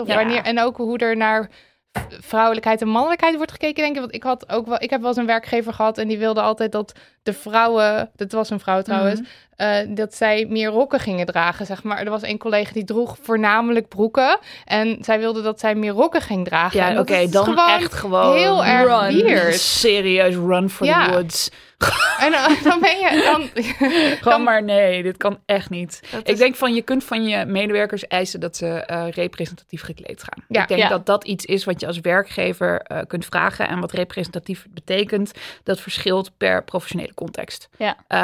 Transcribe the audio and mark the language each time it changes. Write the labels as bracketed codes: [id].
[nl] Of wanneer, en ook hoe er naar vrouwelijkheid en mannelijkheid wordt gekeken, denk ik. Want ik heb wel eens een werkgever gehad en die wilde altijd dat de vrouwen, dat was een vrouw trouwens, dat zij meer rokken gingen dragen, zeg maar. Er was een collega die droeg voornamelijk broeken en zij wilde dat zij meer rokken ging dragen. Ja, oké, okay, dan gewoon echt gewoon heel erg [en] run. Weird. Serieus, run for the woods. [nl] En dan ben je... Gewoon maar nee, dit kan echt niet. Ik denk van, je kunt van je medewerkers eisen dat ze representatief gekleed gaan. Ja. Ik denk ja. dat iets is wat je als werkgever kunt vragen en wat representatief betekent, dat verschilt per professionele context. Ja.